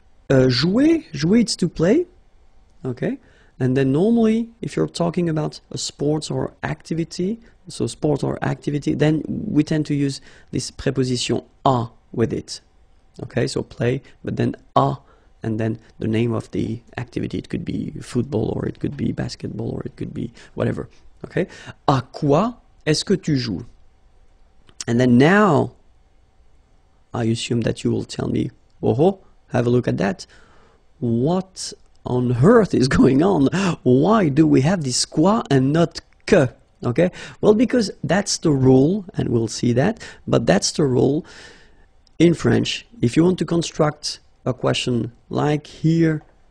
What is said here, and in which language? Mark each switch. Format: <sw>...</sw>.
<en>Jouer, it's to play, okay? And then normally, if you're talking about a sports or activity, so sport or activity, then we tend to use this preposition à with it. Okay, so play, but then à, and then the name of the activity. It could be football, or it could be basketball, or it could be whatever.</en> <fr>Okay, à quoi est-ce que tu joues?</fr> <en>And then now, I assume that you will tell me, oho, have a look at that. What on earth is going on? Why do we have this quoi and not que? Okay, well, because that's the rule, and we'll see that, but that's the rule in French. If you want to construct a question like here</en>